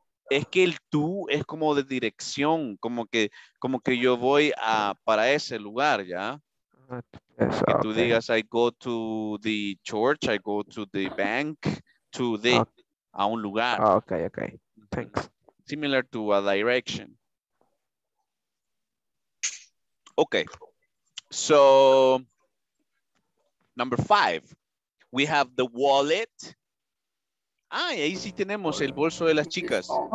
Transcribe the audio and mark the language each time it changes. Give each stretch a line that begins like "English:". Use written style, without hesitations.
Spanish: Es que el tú es como de dirección, como que yo voy a para ese lugar, ¿ya?
English: Yes, que okay.
Spanish: Tú digas,
English: I go to the church, I go to the bank, to the, okay.
Spanish: A un lugar.
English: Oh, okay, thanks. Similar to a direction. Okay, so number five, we have the wallet.
Spanish: Ah, y ahí sí tenemos el bolso de las chicas.